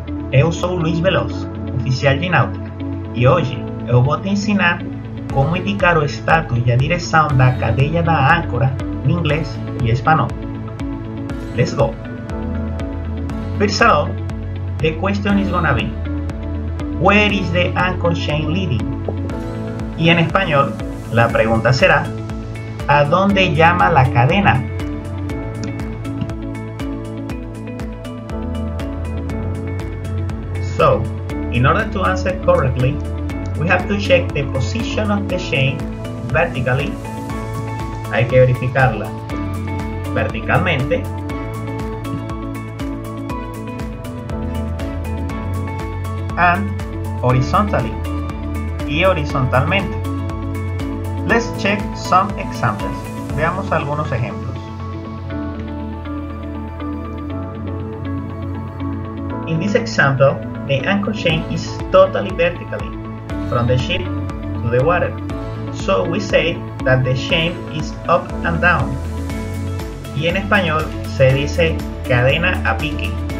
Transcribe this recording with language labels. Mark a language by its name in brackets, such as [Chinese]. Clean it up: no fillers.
[Portuguese] Eu sou o Luiz Veloso, oficial de náutica, e hoje eu vou te ensinar como indicar o status e a direção da cadeia da âncora em inglês e espanhol. [English] Let's go! First of all, the question is gonna be, where is the anchor chain leading? [Spanish] Y en español, la pregunta será, ¿a dónde llama la cadena? [English] So, in order to answer correctly, we have to check the position of the chain vertically. [Spanish] Hay que verificarla verticalmente. [English] And horizontally. [Spanish] Y horizontalmente. [English] Let's check some examples. [Spanish] Veamos algunos ejemplos. [English] In this example, the anchor chain is totally vertically, from the ship to the water. So we say that the chain is up and down. [Spanish] Y en español se dice cadena a pique.